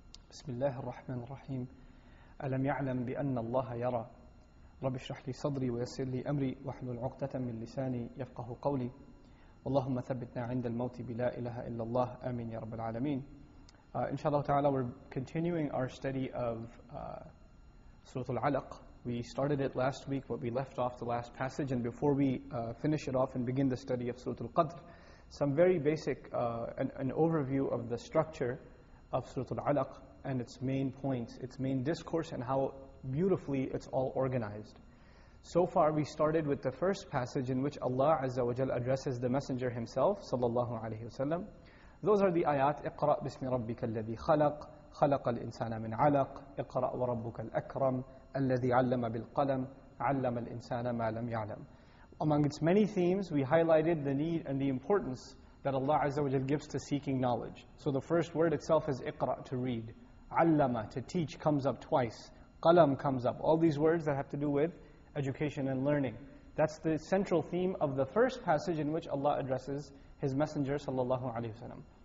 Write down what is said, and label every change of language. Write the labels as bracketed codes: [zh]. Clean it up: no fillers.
[ar] بسم الله الرحمن الرحيم ألم يعلم بأن الله يرى رب اشرح لي صدري ويسر لي أمري واحلل عقدة من لساني يفقه قولي اللهم ثبتنا عند الموت بلا إله إلا الله آمين يا رب العالمين إن شاء الله تعالى [en] we're continuing our study of Surah Al-Alaq. We started it last week, but we left off the last passage. And before we finish it off and begin the study of Surah Al-Qadr, some very basic an overview of the structure of Surah Al-Alaq and its main points, its main discourse, and how beautifully it's all organized. So far, we started with the first passage in which Allah Azza wa Jal addresses the Messenger himself, sallallahu alayhi wa sallam. Those are the ayat, [ar] اقرأ بسم ربك الذي خلق, خلق الإنسان من علق, اقرأ وربك الأكرم, الذي علم بالقلم, علم الإنسان ما لم يعلم. [en] Among its many themes, we highlighted the need and the importance that Allah Azza wa Jal gives to seeking knowledge. So the first word itself is اقرأ, to read. علم, to teach, comes up twice. قلم comes up. All these words that have to do with education and learning. That's the central theme of the first passage in which Allah addresses His Messenger sallallahu alayhi wa sallam.